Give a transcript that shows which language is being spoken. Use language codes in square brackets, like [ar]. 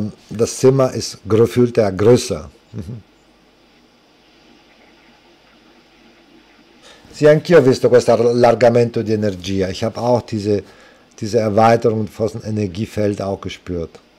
[de] Das Zimmer ist gefühlt ja größer. [it] Sì, anch'io ho visto questo allargamento di energia. [de] Ich habe auch diese Erweiterung von Energiefeld auch gespürt.